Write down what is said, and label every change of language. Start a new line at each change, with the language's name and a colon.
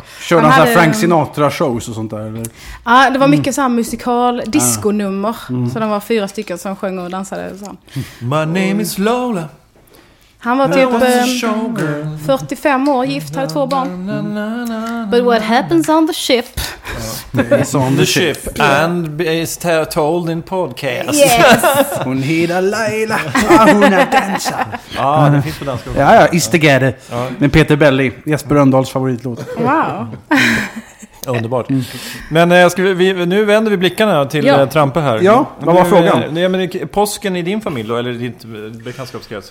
Swedish: Körde han så här Frank Sinatra shows och sånt där eller? Ja, det var mycket så här musikal disco-nummer. Så de var 4 stycken som sjöng och dansade så.
English: My name is Lola.
Swedish: Han var typ 45 år, gift, hade 2 barn.
English: But what happens on the ship? It's on the ship and is told in podcast. Yes.
Swedish: Hon heter Laila. Ja, hon dansar. Ja, det finns på danska också. Ja, Is the Gather med Peter Belli, Jesper Rönndahls favoritlåt. Wow. Underbart. Men nu vänder vi blickarna till Trampe här. Ja, vad var frågan? Nej, men påsken i din familj då, eller i ditt bekantskapskrets?